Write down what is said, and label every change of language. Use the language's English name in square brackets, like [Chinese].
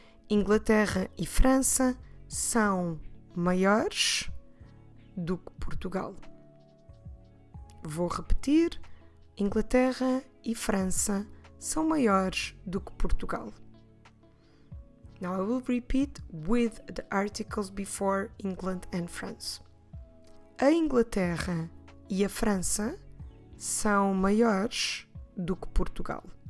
[Portuguese] Inglaterra e França são maiores do que Portugal. Vou repetir. Inglaterra e França são maiores do que Portugal. [English] Now I will repeat with the articles before England and France. [Portuguese] A Inglaterra e a França são maiores do que Portugal.